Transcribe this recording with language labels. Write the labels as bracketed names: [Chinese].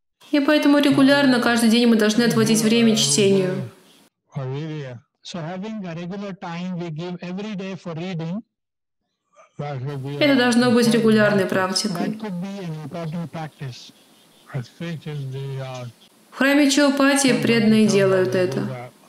[Russian] И поэтому регулярно, каждый день мы должны отводить время чтению. [English] So having a regular time we give every day for reading. [Russian] Это должно быть регулярной практикой. [English] That could be an important practice. I think is the, [Russian] в храме Чхаупати преданные делают это.